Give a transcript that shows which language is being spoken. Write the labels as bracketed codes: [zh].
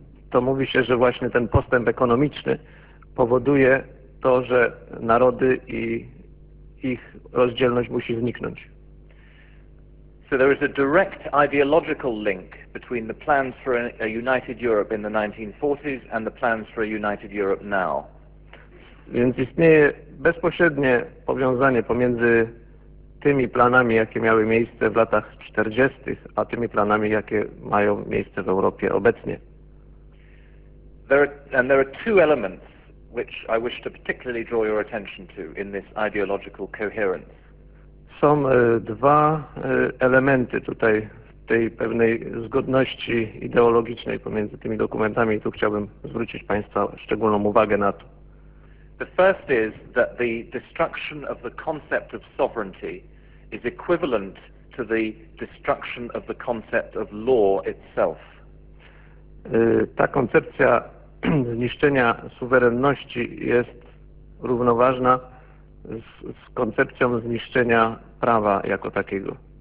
[pl] To mówi się, że właśnie ten postęp ekonomiczny powoduje to, że narody i ich rozdzielność musi zniknąć. [en] So there is a direct ideological link between the plans for a united Europe in the 1940s and the plans for a united Europe now. [pl] Więc istnieje bezpośrednie powiązanie pomiędzy tymi planami, jakie miały miejsce w latach 40., a tymi planami, jakie mają miejsce w Europie obecnie. [en] There are two elements which I wish to particularly draw your attention to in this ideological coherence. [pl] Są dwa elementy tutaj w tej pewnej zgodności ideologicznej pomiędzy tymi dokumentami i tu chciałbym zwrócić Państwa szczególną uwagę na to. [en] The first is that the destruction of the concept of sovereignty is equivalent to the destruction of the concept of law itself. [pl] Ta koncepcja zniszczenia suwerenności jest równoważna z koncepcją zniszczenia prawa jako takiego.